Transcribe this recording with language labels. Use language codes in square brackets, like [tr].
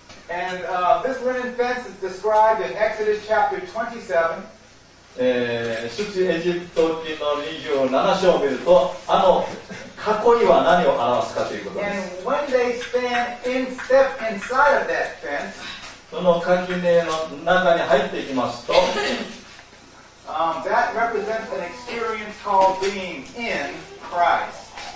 [en] And this linen fence is described in Exodus chapter 27. [ja] 出エジプト記の27章を見ると、あの囲いは何を表すかということです。 [en] And when they stand in step inside of that fence, [ja] その垣根の中に入っていきますと、 [en] that represents an experience called being in Christ.